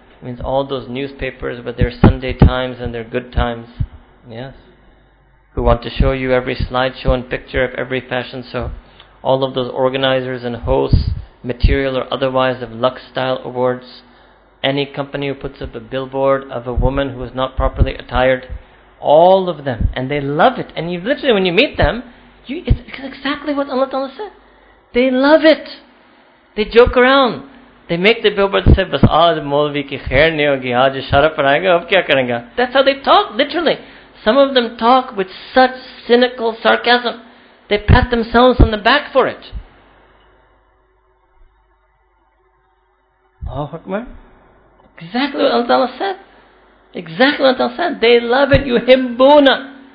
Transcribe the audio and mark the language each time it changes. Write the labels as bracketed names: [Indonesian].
[English] It means all those newspapers with their Sunday Times and their Good Times, yes, who want to show you every slideshow and picture of every fashion show, all of those organizers and hosts, material or otherwise, of Lux style awards, any company who puts up a billboard of a woman who is not properly attired, all of them, and they love it. And you literally, when you meet them, it's exactly what Allah Ta'ala said. They love it. They joke around. They make the billboard say, [Urdu] "بس آج مولوی کی خیر نہیں ہوگی، آج اشارہ پڑھائے گا، اب کیا کرینگا؟" [English] That's how they talk, literally. Some of them talk with such cynical sarcasm. They pat themselves on the back for it. Allahu Akbar. Exactly what Allah Ta'ala said. Exactly what Allah said. They love it. Yuhibbuna.